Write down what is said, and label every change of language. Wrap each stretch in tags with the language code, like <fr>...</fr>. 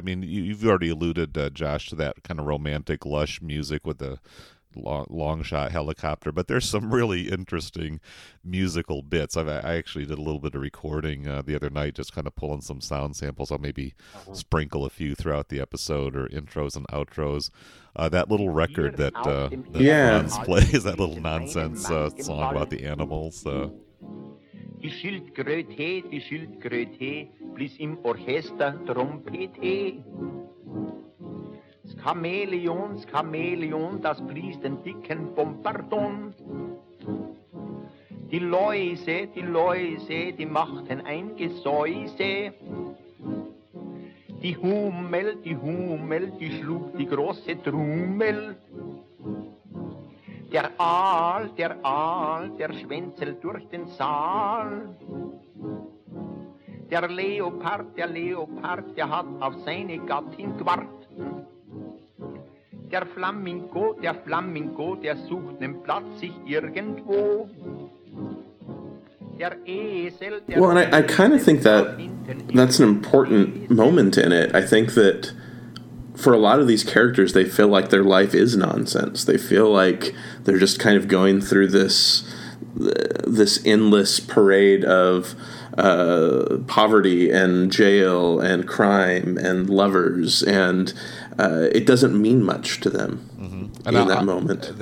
<en>I mean, you've already alluded, Josh, to that kind of romantic lush music with the long shot helicopter, but there's some really interesting musical bits. I actually did a little bit of recording the other night, just kind of pulling some sound samples. I'll maybe sprinkle a few throughout the episode or intros and outros. That little record plays that little nonsense song about the animals.</en> <de>Die Schildkröte, die Schildkröte, blies im Orchester Trompete. Das Chamäleon, das blies den dicken Bombardon. Die Läuse, die machten ein Gesäuse. Die Hummel, die schlug die große Trommel. Der Aal, der Schwänzel durch den Saal. Der Leopard, der hat auf seine Gattin gewart. Der Flamingo, der sucht einen Platz sich irgendwo. Der Esel, der...</de> <en>Well, and I kind of think that that's an important moment in it. I think that for a lot of these characters, they feel like their life is nonsense. They feel like they're just kind of going through this endless parade of poverty and jail and crime and lovers, and it doesn't mean much to them moment.</en>